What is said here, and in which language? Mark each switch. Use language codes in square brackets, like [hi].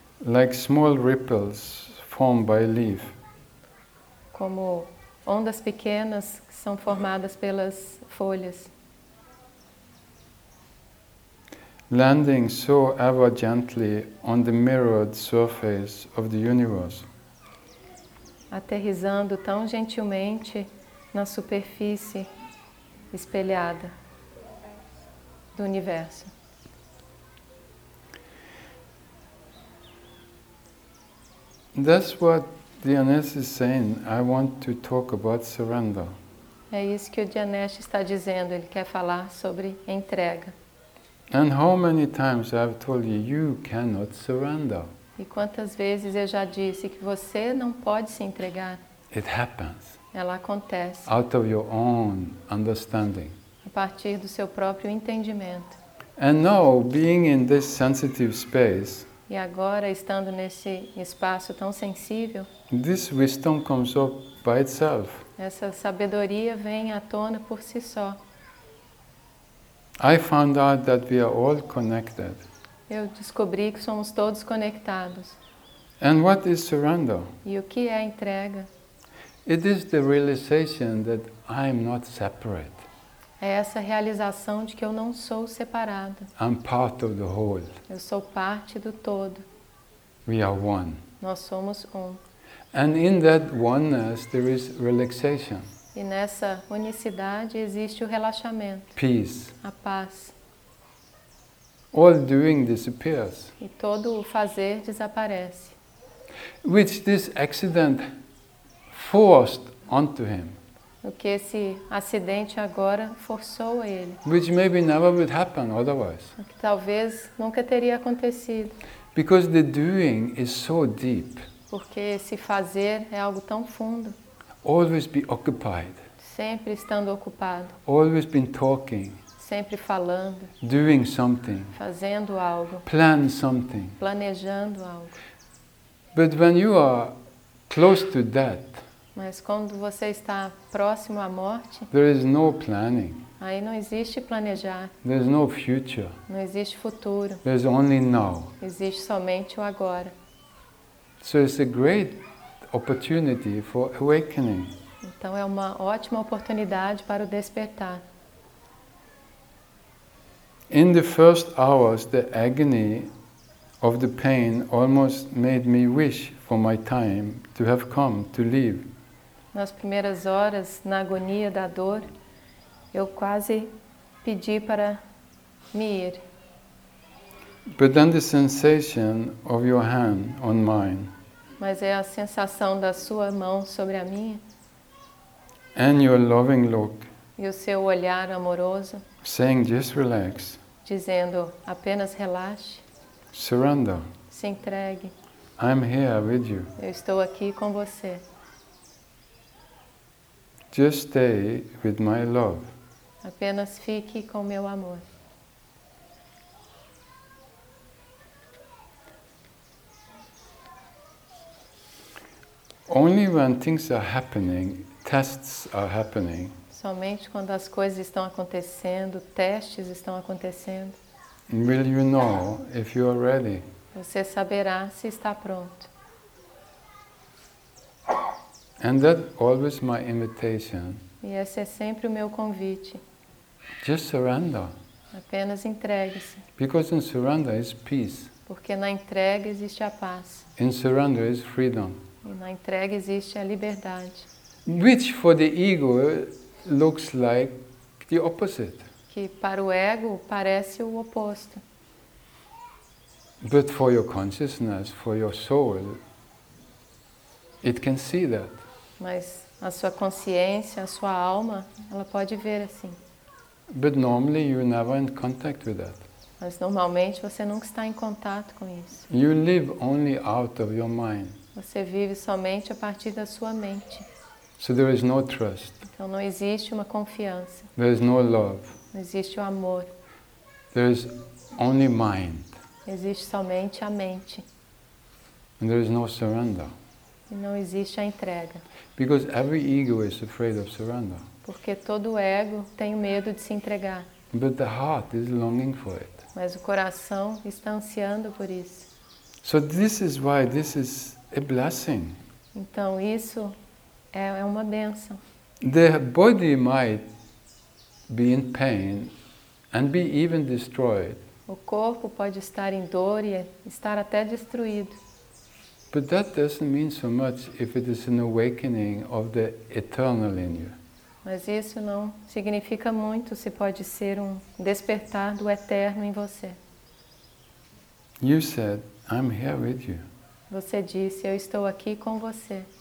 [en] Like small ripples formed by a leaf. [pt] Como ondas pequenas que são formadas pelas folhas. [en] landing so ever gently on the mirrored surface of the universe. [pt] Aterrizando tão gentilmente na superfície espelhada do universo. [en] That's what Dhyanesh is saying. I want to talk about surrender. [pt] É isso que o Dhyanesh está dizendo, ele quer falar sobre entrega. [en] And how many times I've told you, you cannot surrender. [pt] E quantas vezes eu já disse que você não pode se entregar? [en] It happens. [pt] Ela acontece. [en] Out of your own understanding. [pt] A partir do seu próprio entendimento. [en] And now, being in this sensitive space, [pt] e agora, estando nesse espaço tão sensível, [en] this wisdom comes up by itself. [pt] Essa sabedoria vem à tona por si só. [en] I found out that we are all connected. [pt] Eu descobri que somos todos conectados. [en] And what is surrender? [pt] E o que é entrega? [en] It is the realization that I am not separate. [pt] É essa realização de que eu não sou separado. [en] I'm part of the whole. [pt] Eu sou parte do todo. [en] We are one. [pt] Nós somos um. [en] And in that oneness there is relaxation. [pt] E nessa unicidade existe o relaxamento. [en] Peace. [pt] A paz. [en] All doing disappears. [pt] E todo o fazer desaparece. [en] Which this accident forced onto him. [pt] O que esse acidente agora forçou a ele. [en] Which maybe never would happen otherwise. [pt] O que talvez nunca teria acontecido. [en] Because the doing is so deep. [pt] Porque esse fazer é algo tão fundo. [en] Always be occupied. [pt] Sempre estando ocupado. [en] Always been talking. [pt] Sempre falando, [en] doing something, [pt] fazendo algo, [en] plan something, [pt] planejando algo. [en] But when you are close to death, [pt] mas quando você está próximo à morte, [en] there is no planning. [pt] Aí não existe planejar. [en] There is no future. [pt] Não existe futuro. [en] There is only now. [pt] Existe somente o agora. [en] So it's a great opportunity for awakening. [pt] Então é uma ótima oportunidade para o despertar. [en] In the first hours, the agony of the pain almost made me wish for my time to have come to leave. [pt] Nas primeiras horas, na agonia da dor, eu quase pedi para me ir. [en] But then the sensation of your hand on mine. [pt] Mas é a sensação da sua mão sobre a minha. [en] And your loving look. [pt] E o seu olhar amoroso. [en] Saying, just relax. [pt] Dizendo, apenas relaxe. [en] Surrender. [pt] Se entregue. [en] I'm here with you. [pt] Eu estou aqui com você. [en] Just stay with my love. [pt] Apenas fique com meu amor. [en] Only when things are happening, tests are happening. [pt] Somente quando as coisas estão acontecendo, testes estão acontecendo. [en] Will you know if you are ready? [pt] Você saberá se está pronto. [en] And that always my invitation. [pt] E esse é sempre o meu convite. [en] Just surrender. [pt] Apenas entregue-se. [en] Because in surrender is peace. [pt] Porque na entrega existe a paz. [en] In surrender is freedom. [pt] E na entrega existe a liberdade. [en] Which for the ego looks like the opposite. [pt] Que para o ego parece o oposto. [en] But for your consciousness, for your soul, it can see that. [pt] Mas a sua consciência, a sua alma, ela pode ver assim. [en] But normally you never in contact with that. [pt] Mas normalmente você nunca está em contato com isso. [en] You live only out of your mind. [pt] Você vive somente a partir da sua mente. [en] So there is no trust. [pt] Então não existe uma confiança. [en] There is no love. [pt] Não existe o amor. [en] There is only mind. [pt] Existe somente a mente. [en] And there is no surrender. [pt] E não existe a entrega. [en] Because every ego is afraid of surrender. [pt] Porque todo ego tem medo de se entregar. [en] But the heart is longing for it. [pt] Mas o coração está ansiando por isso. [en] So this is why this is a blessing. [pt] Então isso é uma bênção. [en] The body might be in pain and be even destroyed. [pt] O corpo pode estar em dor e estar até destruído. [en] But that doesn't mean so much if it is an awakening of the eternal in you. [pt] Mas isso não significa muito se pode ser um despertar do eterno em você. [en] You said, I'm here with you. [pt] Você disse, eu estou aqui com você.